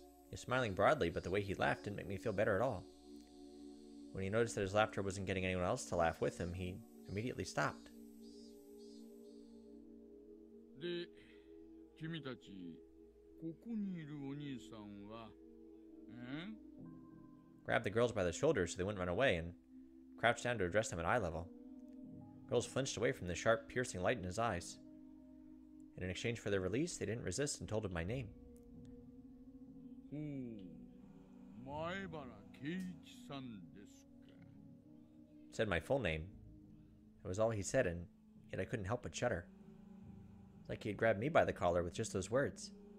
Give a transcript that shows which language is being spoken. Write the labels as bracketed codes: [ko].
[en] He was smiling broadly, but the way he laughed didn't make me feel better at all. When he noticed that his laughter wasn't getting anyone else to laugh with him, he immediately stopped. [ja] で、君たち、ここにいるお兄さんは、ん？ [en] Grabbed the girls by the shoulders so they wouldn't run away and crouched down to address them at eye level. Girls flinched away from the sharp, piercing light in his eyes. And in exchange for their release, they didn't resist and told him my name. [ja] Oh, 前原圭一さんですか。 [en] Said my full name. It was all he said, and yet I couldn't help but shudder. Like he had grabbed me by the collar with just those words.